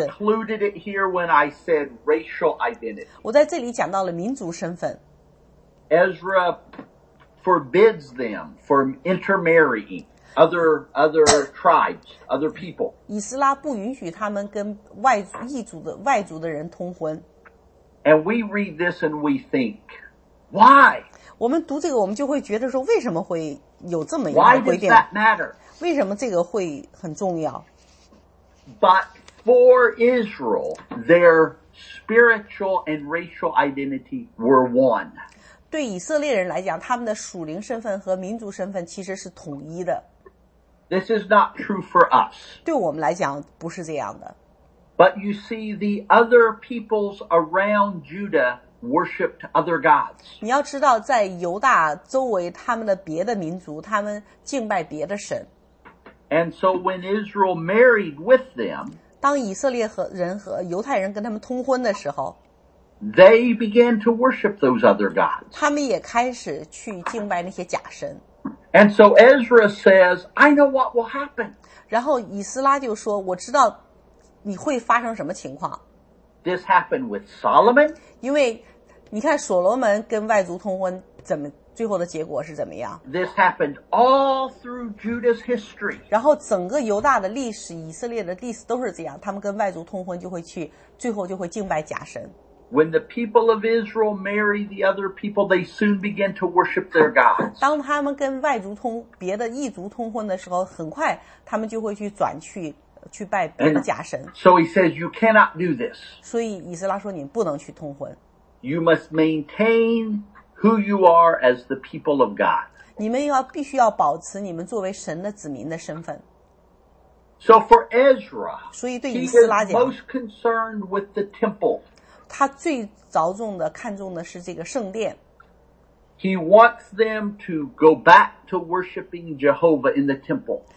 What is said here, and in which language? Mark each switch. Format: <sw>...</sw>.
<en>I included it here when I said racial identity.</en> <zh>我在这里讲到了民族身份。</zh> <en>Ezra forbids them from intermarrying. Other tribes, other people.</en> <zh>以斯拉不允许他们跟外族的人通婚。</zh> <en>And we read this and we think, why?</en> <zh>我们读这个，我们就会觉得说，为什么会有这么一个规定？</zh> <en>Why does that matter?</en> <zh>为什么这个会很重要？</zh> <en>But for Israel, their spiritual and racial identity were one.</en> <zh>对以色列人来讲，他们的属灵身份和民族身份其实是统一的。</zh> <en>This is not true for us.</en> <zh>对我们来讲不是这样的。</zh> <en>But you see, the other peoples around Judah worshipped other gods.</en> <zh>你要知道在犹大周围他们的别的民族他们敬拜别的神。</zh> <en>And so when Israel married with them,</en> <zh>当以色列人和犹太人跟他们通婚的时候</zh> <en>they began to worship those other gods.</en> <zh>他们也开始去敬拜那些假神。</zh> <en>And so Ezra says, I know what will happen.</en> <zh>然后以斯拉就说我知道你会发生什么情况。</zh> <en>This happened with Solomon.</en> <zh>因为你看所罗门跟外族通婚怎么最后的结果是怎么样。</zh> <en>This happened all through Judah's history.</en> <zh>然后整个犹大的历史以色列的历史都是这样他们跟外族通婚就会去最后就会敬拜假神。</zh> <en>When the people of Israel marry the other people, they soon begin to worship their gods.</en> <zh>当他们跟外族通别的异族通婚的时候，很快他们就会去转去拜别的假神。</zh> <en>And、so he says, "You cannot do this."</en> <zh>所以以斯拉说你不能去通婚。</zh> <en>You must maintain who you are as the people of God.</en> <zh>你们必须要保持你们作为神的子民的身份。</zh> <en>So for Ezra,</en> <zh>所以对以斯拉讲</zh> <en>he is most concerned with the temple.</en> <zh>他最着重的看重的是这个圣殿。</zh> <en>He wants them to go back to worshiping Jehovah in the temple.</en>